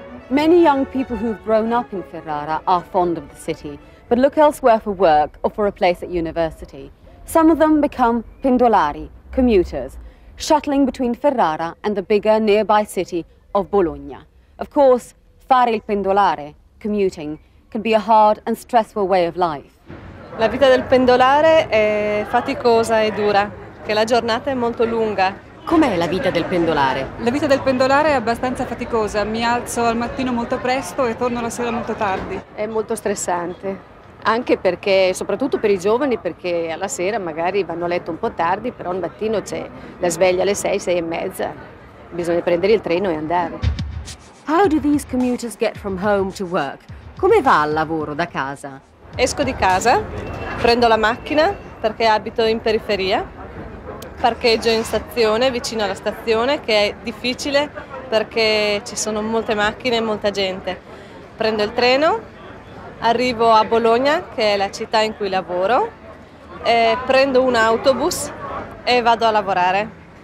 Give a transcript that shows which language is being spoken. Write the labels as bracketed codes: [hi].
[en] Many young people who've grown up in Ferrara are fond of the city, but look elsewhere for work or for a place at university. Some of them become pendolari, commuters, shuttling between Ferrara and the bigger nearby city of Bologna. Of course, [it] fare il pendolare, [en] commuting, can be a hard and stressful way of life. [it] La vita del pendolare è faticosa e dura, che la giornata è molto lunga. Com'è la vita del pendolare? La vita del pendolare è abbastanza faticosa, mi alzo al mattino molto presto e torno la sera molto tardi. È molto stressante, anche perché, soprattutto per i giovani, perché alla sera magari vanno a letto un po' tardi, però al mattino c'è la sveglia alle 6, 6:30, bisogna prendere il treno e andare. [en] How do these commuters get from home to work? [it] Come va al lavoro da casa? Esco di casa, prendo la macchina perché abito in periferia, parcheggio in stazione, vicino alla stazione, che è difficile perché ci sono molte macchine e molta gente. Prendo il treno, arrivo a Bologna, che è la città in cui lavoro, e prendo un autobus e vado a lavorare.